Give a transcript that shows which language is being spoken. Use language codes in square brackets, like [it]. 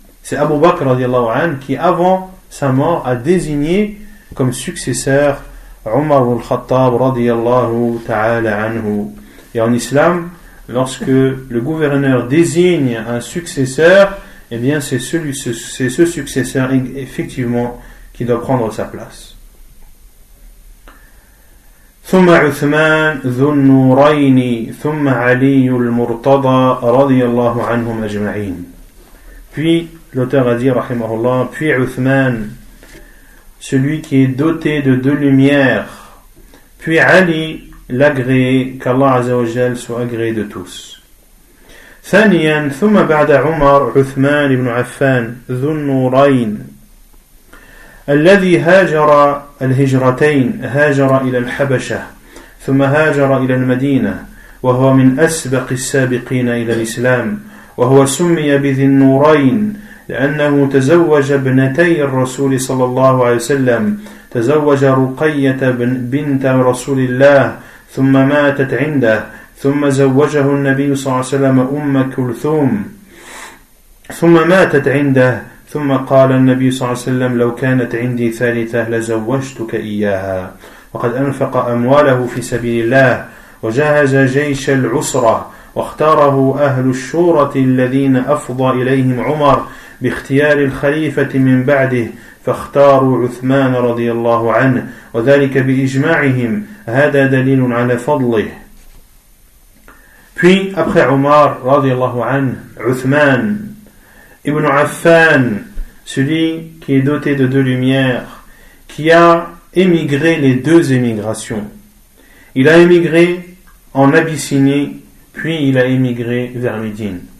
[fr] C'est Abu Bakr radiallahu anhu qui, avant sa mort, a désigné comme successeur Omar al-Khattab radiallahu ta'ala anhu. Et en islam, lorsque le gouverneur désigne un successeur, eh bien c'est ce successeur effectivement qui doit prendre sa place. [ar] ثم عثمان ذو النورين ثم علي المرتضى رضي الله عنهم أجمعين. [fr] Puis l'auteur a dit [ar] رحمه الله, [fr] puis عثمان, celui qui est doté de deux lumières, puis علي, l'agréé, qu'Allah [ar] عز وجل [fr] soit agréé de tous. [ar] ثانيا ثم بعد عمر عثمان بن عفان ذو النورين الذي هاجر الهجرتين, هاجر إلى الحبشة ثم هاجر إلى المدينة, وهو من أسبق السابقين إلى الإسلام, وهو سمي بذي النورين لأنه تزوج ابنتي الرسول صلى الله عليه وسلم, تزوج رقية بنت رسول الله ثم ماتت عنده, ثم زوجه النبي صلى الله عليه وسلم أم كلثوم ثم ماتت عنده ثم قال النبي صلى الله عليه وسلم لو كانت عندي ثالثة لزوجتك إياها وقد أنفق أمواله في سبيل الله وجهز جيش العسرة واختاره أهل الشورى الذين أفضى إليهم عمر باختيار الخليفة من بعده فاختاروا عثمان رضي الله عنه وذلك بإجماعهم هذا دليل على فضله. [fr] Puis après Omar [ar] رضي الله عنه [fr] عثمان ibn Affan, celui qui est doté de deux lumières, qui a émigré les deux émigrations. Il a émigré en Abyssinie, puis il a émigré vers Médine.